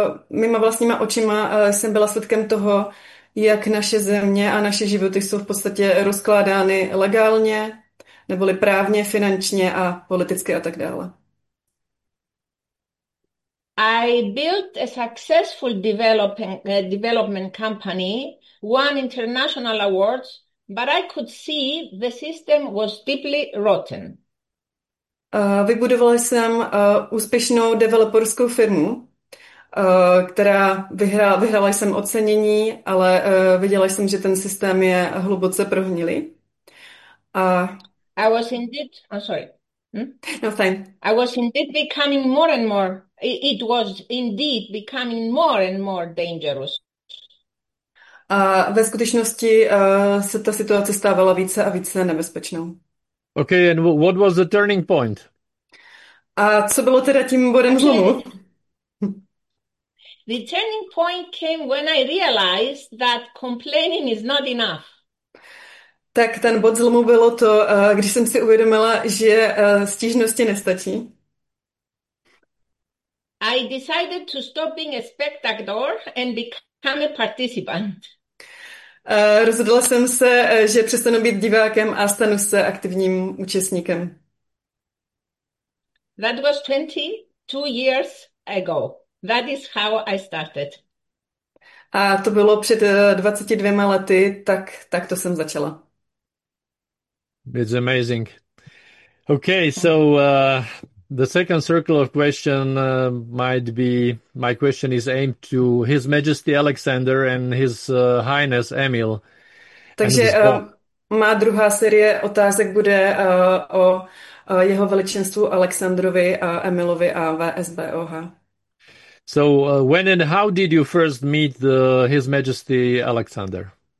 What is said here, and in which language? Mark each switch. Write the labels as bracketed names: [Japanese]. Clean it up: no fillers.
[Czech] Mýma vlastníma očima jsem byla svědkem toho, jak naše země a naše životy jsou v podstatě rozkládány legálně, neboli právně, finančně a politicky a tak dále. [English] I built a successful development company, won international awards, but I could see the system was deeply rotten. [Czech] Vybudovala jsem úspěšnou developerskou firmu, která vyhrala jsem ocenění, ale viděla jsem, že ten systém je hluboce prohnilý. [English] I was indeed, I'm sorry. No, fine. I was indeed becoming more and more, it was indeed becoming more and more dangerous. [Czech] A ve skutečnosti se ta situace stávala více a více nebezpečnou. [English] Okay, and what was the turning point? [Czech] A co bylo teda tím bodem zlomu? [English] The turning point came when I realized that complaining is not enough. [Czech] Tak ten bod zlomu bylo to, když jsem si uvědomila, že stížnosti nestačí. [English] I decided to stop being a spectator and become a participant. [Czech] Rozhodla jsem se, že přestanu být divákem a stanu se aktivním účastníkem. [English] That was 22 years ago. That is how I started. [Czech] A to bylo před 22 lety, tak to jsem začala. [English] It's amazing. Okay, so the second circle of question might be, my question is aimed to His Majesty Alexander and His Highness Emil. [Czech] Takže má druhá série otázek bude o jeho veličenstvu Alexandrovi a Emilovi a VSBOH. [English] So when and how did you first meet His Majesty Alexander?